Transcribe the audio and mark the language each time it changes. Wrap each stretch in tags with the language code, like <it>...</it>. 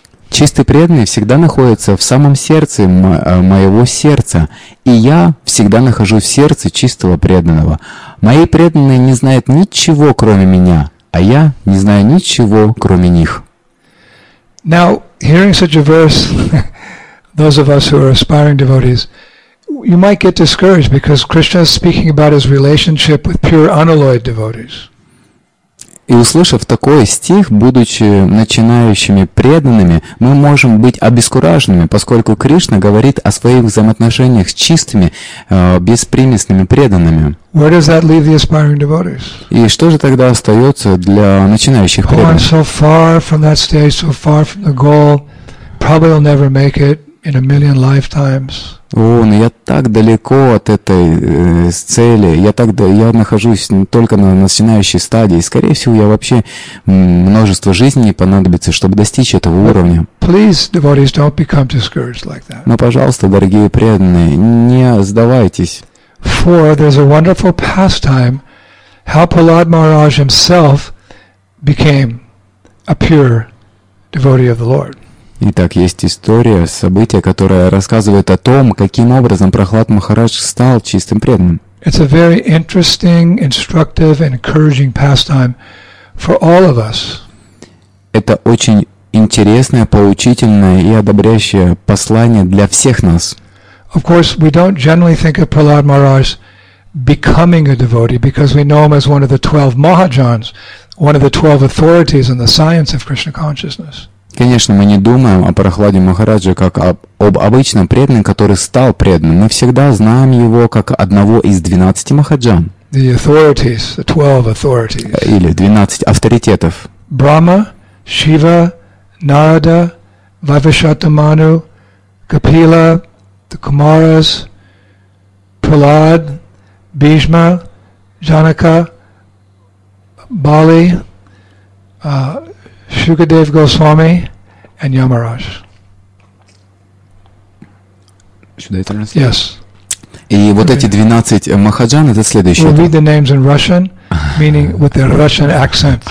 <ru>Чистый преданный всегда находится в самом сердце моего сердца, и я всегда нахожусь в сердце чистого преданного. Мои преданные не знают ничего, кроме меня, а я не знаю ничего, кроме них.</ru> <en>Now, hearing such a verse, those of us who are aspiring devotees, you might get discouraged because Krishna is speaking about his relationship with pure unalloyed devotees.</en> <ru>И услышав такой стих, будучи начинающими преданными, мы можем быть обескураженными, поскольку Кришна говорит о своих взаимоотношениях с чистыми, беспримесными преданными.</ru> <en>Where does that leave the aspiring devotees?</en> <ru>И что же тогда остается для начинающих преданных?</ru> <en>So far from that stage, so far from the goal, probably will never make it in a million lifetimes.</en> <ru>О, ну я так далеко от этой цели, я нахожусь только на начинающей стадии, скорее всего, я вообще множество жизней не понадобится, чтобы достичь этого уровня.</ru> <en>Please, devotees, don't become discouraged like that.</en> <ru>Но, пожалуйста, дорогие преданные, не сдавайтесь.</ru> <en>For there's a wonderful pastime, how Prahlad Maharaj himself became a pure devotee of the Lord.</en> <ru>Итак, есть история, событие, которое рассказывает о том, каким образом Прохлад Махарадж стал чистым преданным.</ru> <en>It's a very interesting, instructive, and encouraging pastime for all of us.</en> <ru>Это очень интересное, поучительное и одобряющее послание для всех нас.</ru> <en>Of course, we don't generally think of Prahlad Maharaj becoming a devotee, because we know him as one of the 12 Mahajans, one of the 12 authorities in the science of Krishna consciousness.</en> <ru>Конечно, мы не думаем о Прохладе Махарадже как об обычном преданном, который стал преданным. Мы всегда знаем его как одного из 12 махаджан.</ru> <en>The authorities, the 12 authorities.</en> <ru>Или 12 авторитетов. Брахма, Шива, Нарада, Вайвашатаману, Капила, the Kumaras, Прохлад, Бхишма, Джанака, Бали, Шукадев Госвами и Ямарадж.</ru> <en>Should I translate? Yes.</en> <ru>И вот эти 12 махаджан, это следующие.</ru> <en>We'll read the names in Russian, meaning with their Russian accent.</en>